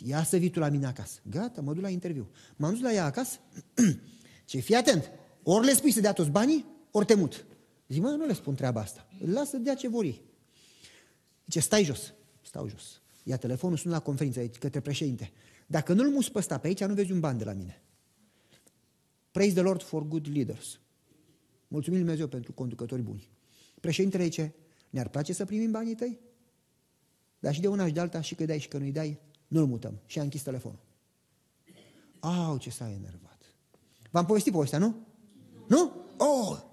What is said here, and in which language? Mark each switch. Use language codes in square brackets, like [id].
[ro] Ia să vii tu la mine acasă. Gata, mă duc la interviu. M-am dus la ea acasă. Ce, fii atent, ori le spui să dea toți banii, ori te mut. Zic, mă, nu le spun treaba asta. Lasă, dea ce vor ei. Zice, stai jos. Stau jos. Ia telefonul, sună la conferință, către președinte. Dacă nu-l muți pe ăsta pe aici, nu vezi un ban de la mine. [en] Praise the Lord for good leaders. [ro] Mulțumim Lui Dumnezeu pentru conducători buni. Președintele zice, ne-ar place să primim banii tăi? Dar și de una și de alta, și că dai și că nu-i dai, nu-l mutăm. Și a închis telefonul. Au, ce s-a enervat. V-am povestit povestea, nu? Nu? Oh!